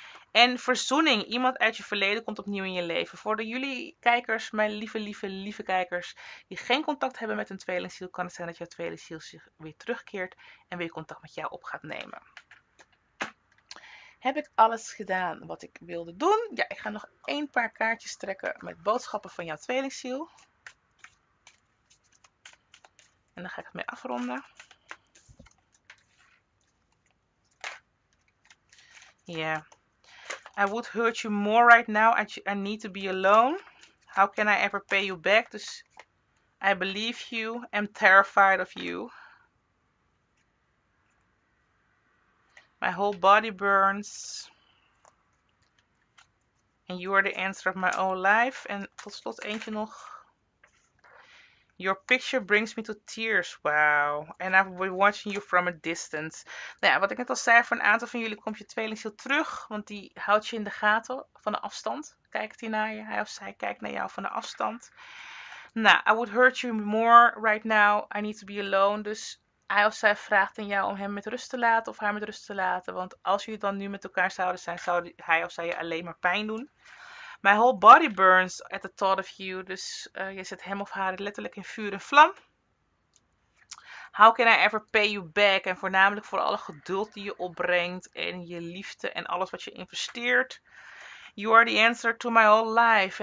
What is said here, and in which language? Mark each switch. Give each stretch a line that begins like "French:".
Dutch: En verzoening, iemand uit je verleden komt opnieuw in je leven. Voor de jullie kijkers, mijn lieve, lieve, lieve kijkers, die geen contact hebben met hun tweelingziel, kan het zijn dat jouw tweelingziel zich weer terugkeert en weer contact met jou op gaat nemen. Heb ik alles gedaan wat ik wilde doen? Ja, ik ga nog een paar kaartjes trekken met boodschappen van jouw tweelingziel. En dan ga ik het mee afronden. Ja.
English: Yeah. I would hurt you more right now. I need to be alone. How can I ever pay you back? Dus I believe you. I'm terrified of you. My whole body burns. And you are the answer of my own life.
Dutch: En tot slot eentje nog.
English: Your picture brings me to tears. Wow. And I've been watching you from a distance.
Dutch: Nou ja, wat ik net al zei, voor een aantal van jullie komt je tweelingziel terug. Want die houdt je in de gaten van de afstand. Kijkt hij naar je. Hij of zij kijkt naar jou van de afstand.
English: Nou, I would hurt you more right now. I need to be alone.
Dutch: Dus hij of zij vraagt aan jou om hem met rust te laten of haar met rust te laten. Want als jullie dan nu met elkaar zouden zijn, zou hij of zij je alleen maar pijn doen.
English: My whole body burns at the thought of you.
Dutch: Dus je zet hem of haar letterlijk in vuur en vlam.
English: How can I ever pay you back?
Dutch: En voornamelijk voor alle geduld die je opbrengt en je liefde en alles wat je investeert.
English: You are the answer to my whole life.